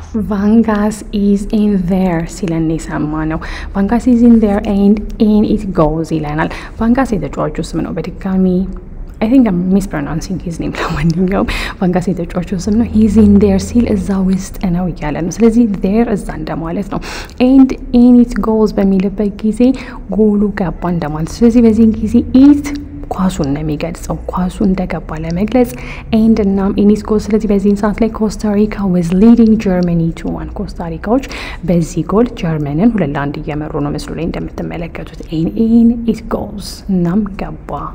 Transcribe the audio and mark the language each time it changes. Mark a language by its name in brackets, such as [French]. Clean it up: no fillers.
[English] Vangas is in there [Amharic] ሲለን ነው የሰማነው. [English] Vangas is in there and in it goes ይለናል. [Amharic] Vangas የተጫዋቹ ስም ነው በድጋሚ. [English] I think I'm mispronouncing his name [Amharic] ለማንኛውም ቫንጋስ የተጫዋቹ ስም ነው. [English] he's in there [Amharic] ሲል እዛ ውስጥ ነው እያለ ነው. ስለዚህ there እዛ እንደማለት ነው. [English] and in it goes [Amharic] በሚልበት ጊዜ ጎሉ ገባ እንደማለት. ስለዚህ በዚህን ጊዜ it ኳሱን ነው የሚገልጸው ኳሱ እንደገባ ለመግለጽ. [English] and now in it goes. [Amharic] ስለዚህ በዚህን ሰዓት ላይ [English] Costa Rica was leading Germany 2-1. [Amharic] Costa Ricaዎች በዚህ ጎል ጀርመንን 2-1 እየመሩ ነው ምስሉ ላይ እንደምትመለከቱት. [English] in it goes [Amharic] ናም ገባ.